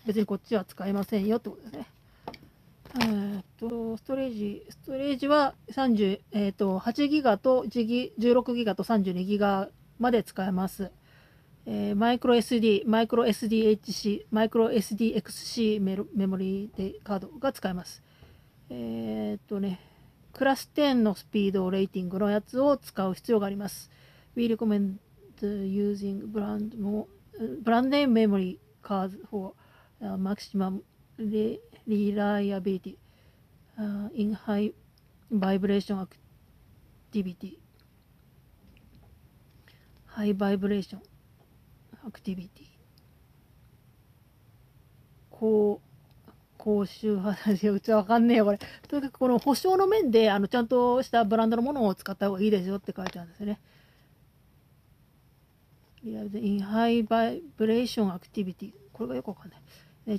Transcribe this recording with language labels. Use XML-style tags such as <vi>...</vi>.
<ja>別にこっちは使えませんよってことですね。ストレージは30、8ギガと16ギガと32ギガまで使えます。マイクロ SD、マイクロ SDHC、マイクロ SDXC メモリーでカードが使えます。クラス10のスピードレーティングのやつを使う必要があります。</ja> <en>We recommendusing brand name memory cards for maximum reliability in high vibration activity. High vibration activity.</en> <ja>高周波だし、うちわかんねえよ、これ。とにかくこの保証の面で、ちゃんとしたブランドのものを使った方がいいですよって書いてあるんですよね。インハイバイブレーションアクティビティ、これがよくわかんない。</ja>